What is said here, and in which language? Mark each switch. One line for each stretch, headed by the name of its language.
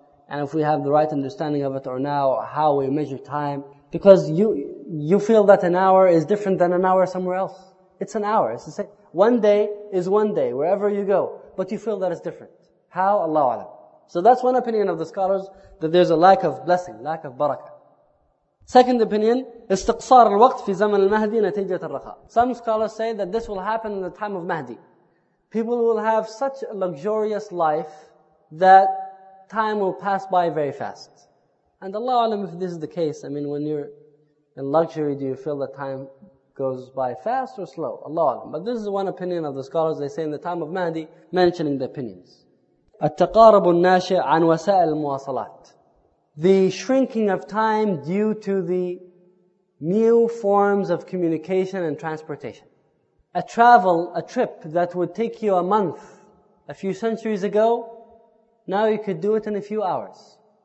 English: And if we have the right understanding of it or now, or how we measure time. Because you feel that an hour is different than an hour somewhere else. It's an hour. It's the same. One day is one day, wherever you go. But you feel that it's different. How? Allahu A'lam. So that's one opinion of the scholars, that there's a lack of blessing, lack of barakah. Second opinion,
Arabic: استقصار الوقت في زمن المهدي نتيجة الرخاء.
English: Some scholars say that this will happen in the time of Mahdi. People will have such a luxurious life that time will pass by very fast. And Allah alam, if this is the case, I mean, when you're in luxury, do you feel that time goes by fast or slow? Allah alam. But this is one opinion of the scholars, they say in the time of Mahdi, mentioning the opinions.
Arabic: التقارب الناشئ عن وسائل المواصلات.
English: The shrinking of time due to the new forms of communication and transportation. A trip that would take you a month a few centuries ago, now you could do it in a few hours.